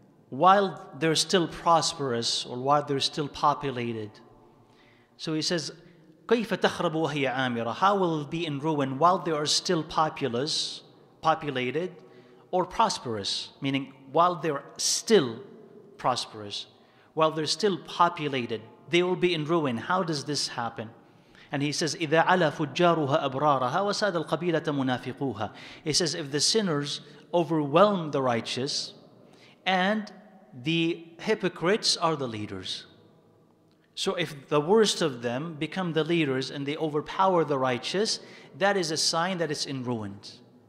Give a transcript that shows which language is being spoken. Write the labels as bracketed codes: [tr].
[en] While they're still prosperous, or while they're still populated. So he says, [ar] كَيْفَ تَخْرَبُ وَهِيَ عَامِرَةً. [en] How will it be in ruin while they are still populated, or prosperous? Meaning, while they're still prosperous, while they're still populated, they will be in ruin. How does this happen? And he says, [ar] إِذَا عَلَى فُجَّارُهَا أَبْرَارَهَا وَسَادَ الْقَبِيلَةَ مُنَافِقُوهَا. [en] He says, if the sinners overwhelm the righteous, and the hypocrites are the leaders. So if the worst of them become the leaders and they overpower the righteous, that is a sign that it's in ruins.